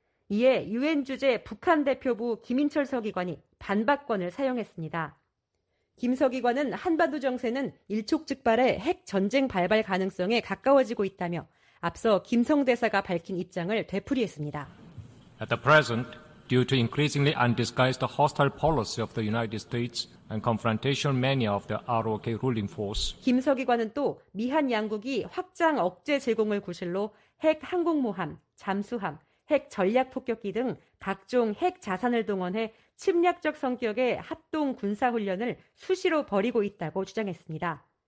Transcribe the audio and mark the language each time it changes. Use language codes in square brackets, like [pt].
[ko] 이에 유엔 주재 북한 대표부 김인철 서기관이 반박권을 사용했습니다. 김 서기관은 한반도 정세는 일촉즉발의 핵 전쟁 발발 가능성에 가까워지고 있다며 앞서 김성 대사가 밝힌 입장을 되풀이했습니다. [en] At the present, due to increasingly undisguised hostile policy of the United States and confrontational mania of the ROK ruling force, [ko] 김 서기관은 또 미한 양국이 확장 억제 제공을 구실로 핵 항공모함, 잠수함, 핵 전략 폭격기 등 각종 핵 자산을 동원해 침략적 성격의 합동 군사 훈련을 수시로 벌이고 있다고 주장했습니다.